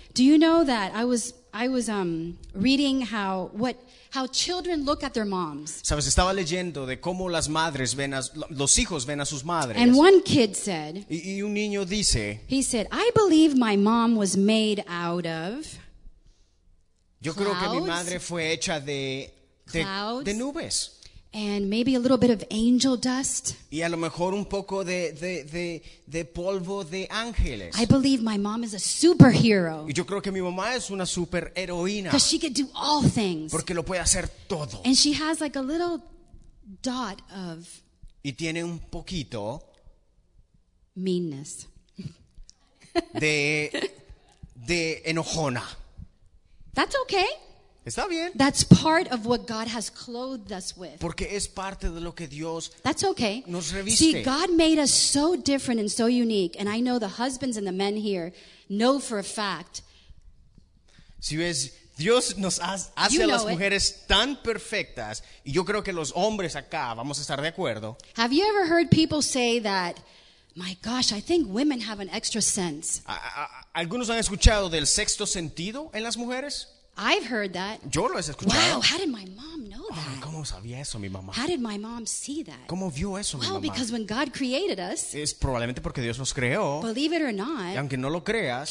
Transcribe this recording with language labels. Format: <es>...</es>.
<en>Do you know that I was reading how children look at their moms.</en> <es>Sabes, estaba leyendo de cómo las madres ven a los hijos ven a sus madres.</es> <en>And one kid said.</en> <es>Y un niño dice.</es> <en>He said, "I believe my mom was made out of."</en> <es>Yo creo que mi madre fue hecha de nubes.</es> <en>And maybe a little bit of angel dust.</en> <es>Y a lo mejor un poco de polvo de ángeles.</es> <en>I believe my mom is a superhero.</en> <es>Y yo creo que mi mamá es una superheroína.</es> <en>Because she could do all things.</en> <es>Porque lo puede hacer todo.</es> <en>And she has like a little dot of.</en> <es>Y tiene un poquito.</es> <en>Meanness.</en> <es>De enojona.</es> <en>That's okay.</en> <es>Está bien.</es> <en>That's part of what God has clothed us with.</en> <es>Porque es parte de lo que Dios</es> <en>that's okay.</en> <es>Nos reviste.</es> <en>See, God made us so different and so unique, and I know the husbands and the men here know for a fact.</en> <es>Si ves, Dios nos hace</es> <en>you know</en> <es>a las mujeres</es> <en>it.</en> <es>Tan perfectas, y yo creo que los hombres acá vamos a estar de acuerdo.</es> <en>Have you ever heard people say that? My gosh, I think women have an extra sense.</en> <es>¿Algunos han escuchado del sexto sentido en las mujeres?</es> <en>I've heard that.</en> <es>Yo lo he escuchado.</es> <en>Wow, how did my mom know that?</en> <es>Oh, ¿cómo sabía eso, mi mamá?</es> <en>How did my mom see that?</en> <es>¿Cómo vio eso,</es> <en>well,</en> <es>mi mamá?</es> <en>Because when God created us,</en> <es>es probablemente porque Dios nos creó,</es> <en>believe it or not,</en> <es>y aunque no lo creas,</es>